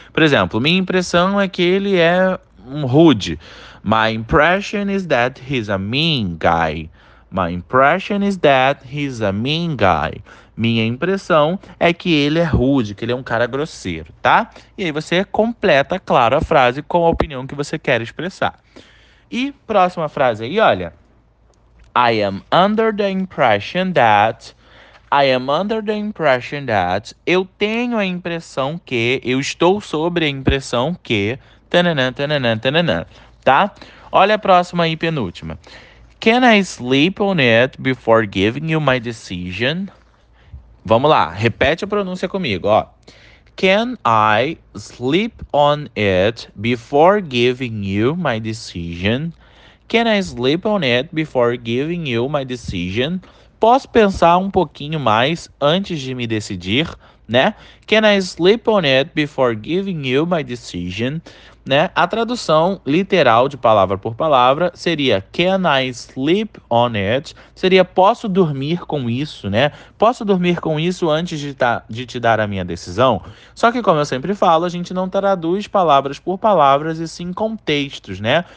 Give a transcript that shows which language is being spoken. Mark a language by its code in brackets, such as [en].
[pt] Por exemplo, minha impressão é que ele é um rude. [en] My impression is that he's a mean guy. My impression is that he's a mean guy. [pt] Minha impressão é que ele é rude, que ele é um cara grosseiro, tá? E aí você completa, claro, a frase com a opinião que você quer expressar. E próxima frase aí, olha. [en] I am under the impression that. I am under the impression that [pt] eu tenho a impressão que, eu estou sobre a impressão que, tananã, tananã, tananã, tá? Olha a próxima aí, penúltima. [en] Can I sleep on it before giving you my decision? [pt] Vamos lá, repete a pronúncia comigo, ó. [en] Can I sleep on it before giving you my decision? Can I sleep on it before giving you my decision? [pt] Posso pensar um pouquinho mais antes de me decidir, né? [en] Can I sleep on it before giving you my decision? [pt] Né? A tradução literal de palavra por palavra seria [en] Can I sleep on it? [pt] Seria posso dormir com isso, né? Posso dormir com isso antes de te dar a minha decisão? Só que, como eu sempre falo, a gente não traduz palavras por palavras e sim contextos, né?